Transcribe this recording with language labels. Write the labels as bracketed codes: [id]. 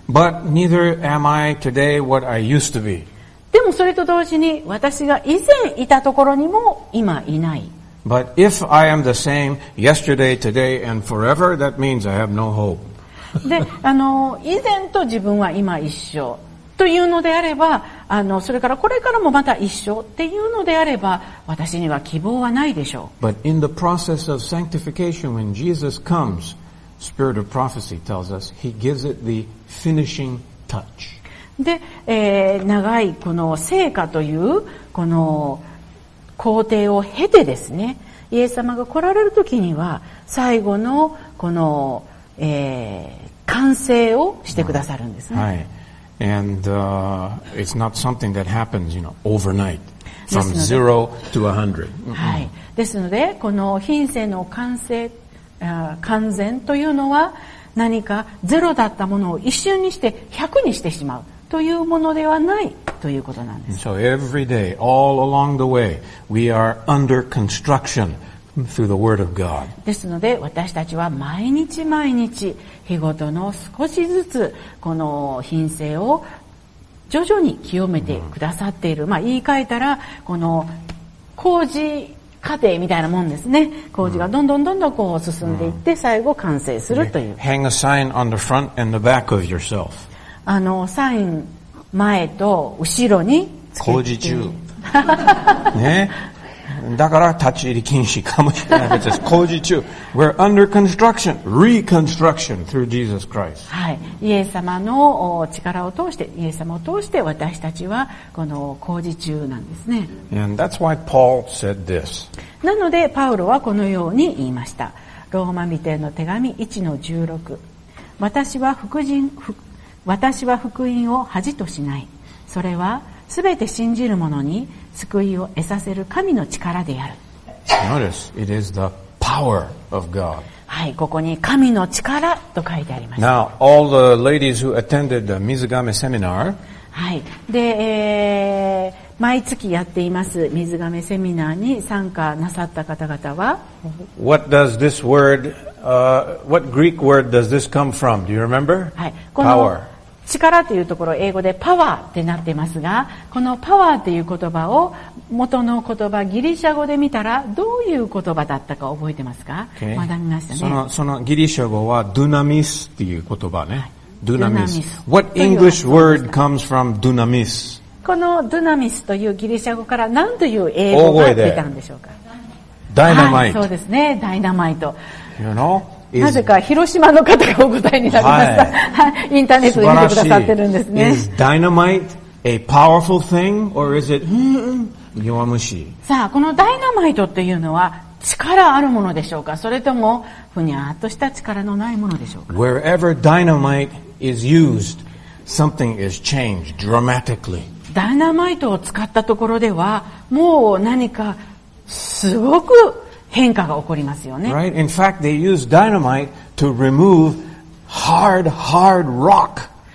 [en] But neither am I today what I used to be. [ja] でもそれと同時に私が以前いたところにも今いない。 [en] But if I am the same yesterday, today, and forever, that means I have no hope. [ja] で、以前と自分は今一緒というのであれば、それからこれからもまた一緒っていうのであれば、私には希望はないでしょう。 [en] But in the process of sanctification, when Jesus comes, Spirit of Prophecy tells us, He gives it the finishing touch. [ja] で、長いこの聖火という、この、工程を経てですね、イエス様が来られるときには最後のこの、完成をしてくださるんですね。 [en] はい、and it's not something that happens, you know, overnight, from zero to a hundred. [ja] はい。ですのでこの品性の完成、完全というのは何かゼロだったものを一瞬にして百にしてしまう。というものではないということなんです。 [en] So every day, all along the way, we are under construction through the Word of God. [ja] ですので、私たちは毎日毎日、日ごとの少しずつ、この品性を徐々に清めてくださっている。まあ、言い換えたら、この工事過程みたいなもんですね。工事がどんどんどんどんこう進んでいって、最後完成するという。 [en] Hang a sign on the front and the back of yourself. [ja] サイン前と後ろに工事中ね。だから立ち入り禁止かもしれないです。工事中。 [en] We're under construction, reconstruction through Jesus Christ. [ja] はい。イエス様の力を通して、イエス様を通して私たちはこの工事中なんですね。 [en] And that's why Paul said this. [ja] なのでパウロはこのように言いました。ローマ人への手紙 1-16。私は福音を恥としない。それはすべて信じる者に救いを得させる神の力である。 [en] Notice, it is the power of God. [ja] はい、ここに神の力と書いてあります。 [en] Now, all the ladies who attended the Mizugame seminar. [ja] はい、で、毎月やっています Mizugame seminar に参加なさった方々は、 [en] What does this word, what Greek word does this come from? Do you remember? [ja] はい、この power. 力というところ英語でパワーってなってますが、このパワーという言葉を元の言葉ギリシャ語で見たらどういう言葉だったか覚えてますか？ [en] Okay. [ja] 学びましたね。そのギリシャ語はドゥナミスっていう言葉ね。 [en] ドゥナミス。What English word comes from ドゥナミス？ [ja] このドゥナミスというギリシャ語から何という英語が出たんでしょうか？ダイナマイト。はい、そうですね、ダイナマイト。 [en] You know? [ja] なぜか広島の方がお答えになりました。はい、インターネットで見てくださってるんですね。 [en] Is dynamite a powerful thing or is it [ja] 弱虫？さあ、このダイナマイトっていうのは力あるものでしょうか、それともふにゃーっとした力のないものでしょうか。 [en] Wherever dynamite is used, something is changed dramatically. [ja] ダイナマイトを使ったところでは、もう何かすごく変化が起こりますよね。 [en] Right. In fact, they use dynamite to remove hard rock.